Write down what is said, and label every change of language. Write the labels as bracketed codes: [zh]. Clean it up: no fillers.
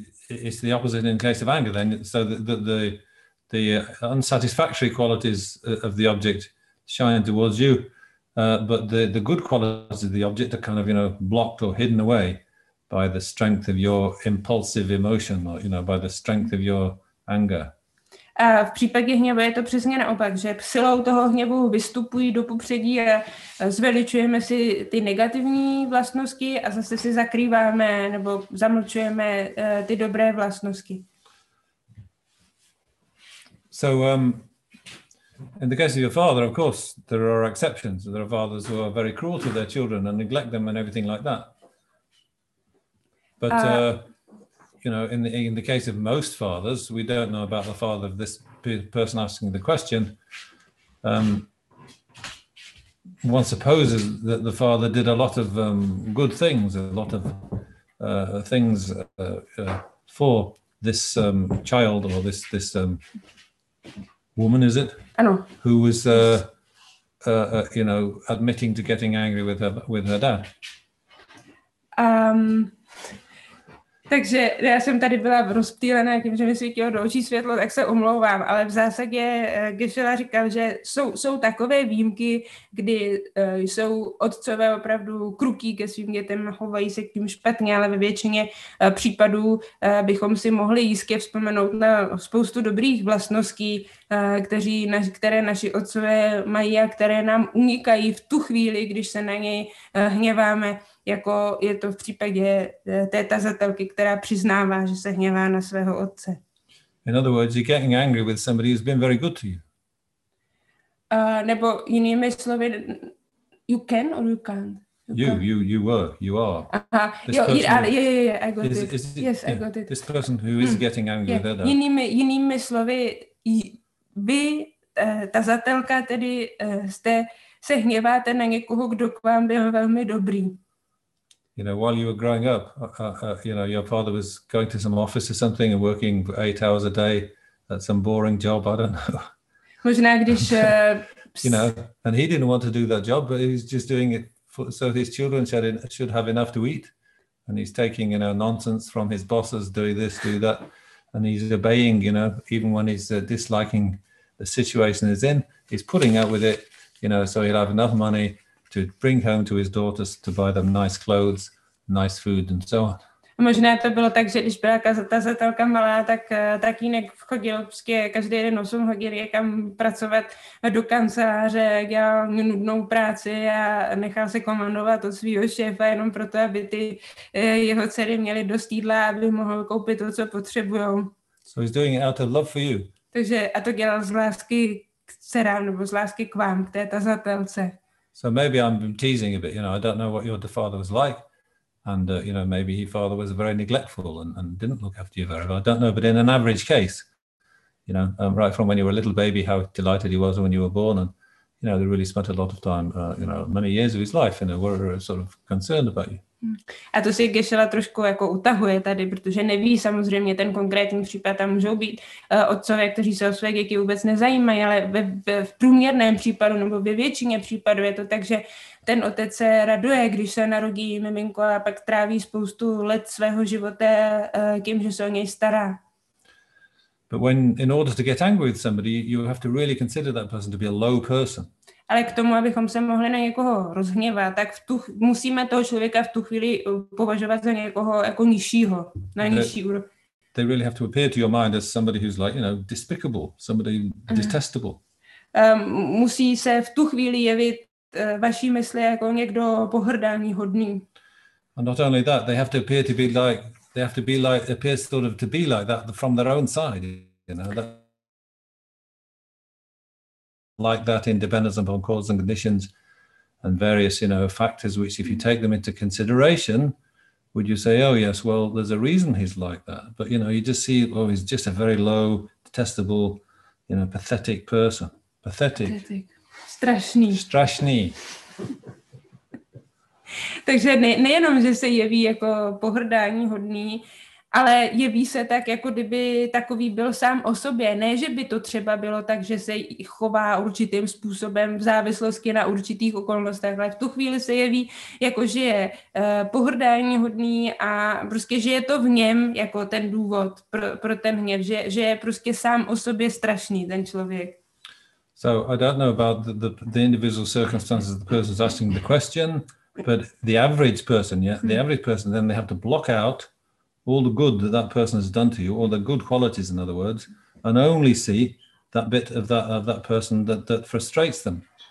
[en] It's the opposite in case of anger then. So the unsatisfactory qualities of the object shine towards you. But the good qualities of the object are kind of, you know, blocked or hidden away by the strength of your impulsive emotion, or, you know, by the strength of your anger. [cs] A v případě hněvu je to přesně naopak, že silou toho hněvu vystupují do popředí a zveličujeme si ty negativní vlastnosti a zase si zakrýváme nebo zamlčujeme ty dobré vlastnosti. [en] So, in the case of your father, of course, there are exceptions. There are fathers who are very cruel to their children and neglect them and everything like that. But, you know, in the case of most fathers, we don't know about the father of this person asking the question. One supposes that the father did a lot of good things, a lot of things for this child or this woman, is it? [cs] Ano. [en] Who was, you know, admitting to getting angry with her dad. [cs] Takže já jsem tady byla rozptýlená tím, že mi svítilo do očí světlo, tak se omlouvám, ale v zásadě Gešela říkal, že jsou takové výjimky, kdy jsou otcové opravdu krutí ke svým dětem, chovají se k tím špatně, ale ve většině případů bychom si mohli jistě vzpomenout na spoustu dobrých vlastností, které naši otcové mají a které nám unikají v tu chvíli, když se na něj hněváme. Jako je to v případě té tazatelky, která přiznává, že se hněvá na svého otce. [en] In other words, you're getting angry with somebody who's been very good to you. [cs] Nebo jinými slovy, [en] you can or you can't? You are. I got it. This person who is getting angry with her. [cs] Jinými slovy, vy, tazatelka, tedy jste, se hněváte na někoho, kdo k vám byl velmi dobrý. [en] You know, while you were growing up, you know, your father was going to some office or something and working 8 hours a day at some boring job, I don't know. [cs] Možná když... [en] you know, and he didn't want to do that job, but he's just doing it so his children should have enough to eat. And he's taking, you know, nonsense from his bosses, doing this, do that. And he's obeying, you know, even when he's disliking the situation he's in, he's putting up with it, you know, so he'll have enough money to bring home to his daughters to buy them nice clothes, nice food and so on. [cs] A možná to bylo tak, že když byla tazatelka malá, tak tatínek chodil každý den 8 hodin někam pracovat do kanceláře, dělal nudnou práci a nechal se komandovat od svého šéfa jenom proto, aby ty jeho dcery měly dost jídla, aby mohl koupit to, co potřebují. [en] So he's doing it out of love for you. [cs] Takže a to dělal z lásky k dcerám nebo z lásky k vám, k té tazatelce. [en] So maybe I'm teasing a bit, you know, I don't know what your father was like. And, you know, maybe your father was very neglectful and didn't look after you very well. I don't know, but in an average case, you know, right from when you were a little baby, how delighted he was when you were born. And, you know, they really spent a lot of time, you know, many years of his life, you know, were sort of concerned about you. [cs] A to si Gešela trošku jako utahuje tady, protože neví samozřejmě ten konkrétní případ, tam můžou být otcové, kteří se o své děti vůbec nezajímají, ale v průměrném případu nebo ve většině případů je to tak, že ten otec se raduje, když se narodí miminko a pak tráví spoustu let svého života tím, že se o něj stará. [en] But when in order to get angry with somebody, you have to really consider that person to be a low person. [cs] Ale k tomu, abychom se mohli na někoho rozhněvat, tak musíme toho člověka v tu chvíli považovat za někoho jako nižšího, na nižší úroveň. [en] They really have to appear to your mind as somebody who's like, you know, despicable, somebody detestable. [cs] Musí se v tu chvíli jevit vaší mysli jako někdo pohrdáníhodný. [en] And not only that, they have to appear to be like, they have to be like, appear sort of to be like that from their own side, you know, that like that, independent upon causes and conditions and various, you know, factors, which if you take them into consideration, would you say, oh, yes, well, there's a reason he's like that. But, you know, you just see, oh, he's just a very low, detestable, you know, pathetic person. Pathetic. [cs] Strašný. Strašný. Takže nejenom, že se jeví jako pohrdání hodný, ale jeví se tak, jako kdyby takový byl sám o sobě. Ne, že by to třeba bylo tak, že se chová určitým způsobem v závislosti na určitých okolnostech, ale v tu chvíli se jeví, jako že je pohrdání hodný a prostě, že je to v něm jako ten důvod pro ten hněv, že je prostě sám o sobě strašný ten člověk. [en] So I don't know about the individual circumstances of the person who's asking the question, but the average person, yeah, the average person, then they have to block out all the good that that person has done to you, all the good qualities, in other words, and only see that bit of that person that, that frustrates them.